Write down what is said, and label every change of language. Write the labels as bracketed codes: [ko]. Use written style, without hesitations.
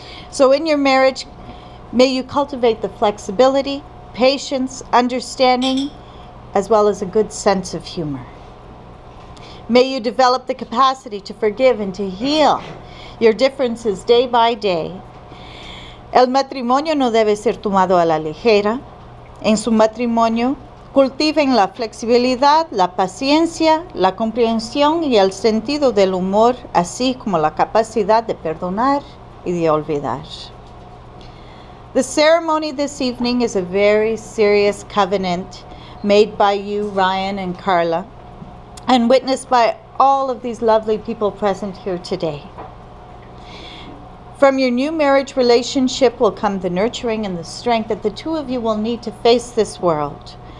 [en] So in your marriage, may you cultivate the flexibility, patience, understanding, as well as a good sense of humor. May you develop the capacity to forgive and to heal your differences day by day. [es] El matrimonio no debe ser tomado a la ligera. En su matrimonio, cultiven la flexibilidad, la paciencia, la comprensión y el sentido del humor, así como la capacidad de perdonar y de olvidar. [en] The ceremony this evening is a very serious covenant made by you, Ryan and Karla, and witnessed by all of these lovely people present here today. From your new marriage relationship will come the nurturing and the strength that the two of you will need to face this world.